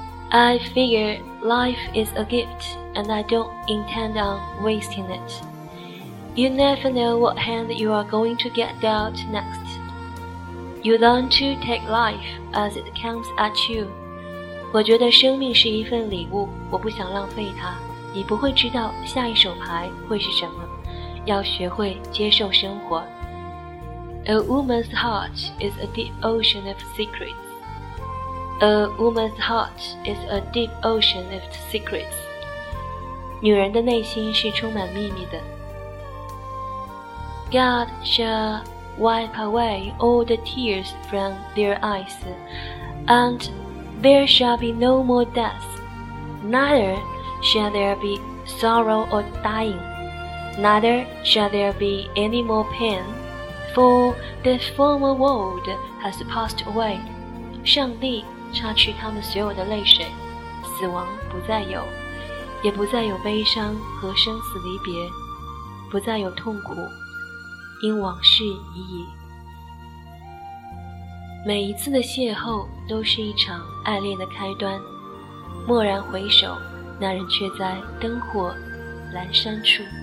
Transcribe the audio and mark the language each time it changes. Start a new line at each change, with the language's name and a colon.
English: I figure life is a gift and I don't intend on wasting it. You never know what hand you are going to get dealt next. You learn to take life as it comes at you.
Chinese: 我觉得生命是一份礼物，我不想浪费它。你不会知道下一手牌会是什么，要学会接受生活。
English: A woman's heart is a deep ocean of secrets. A woman's heart is a deep ocean of secrets.
Chinese: 女人的内心是充满秘密的。
English: God shall wipe away all the tears from their eyes, and there shall be no more death. Neither shall there be sorrow or dying. Neither shall there be any more pain, for the former world has passed away.
Chinese: 上帝擦去他们所有的泪水，死亡不再有，也不再有悲伤和生死离别，不再有痛苦，因往事已矣。每一次的邂逅都是一场爱恋的开端，蓦然回首，那人却在灯火阑珊处。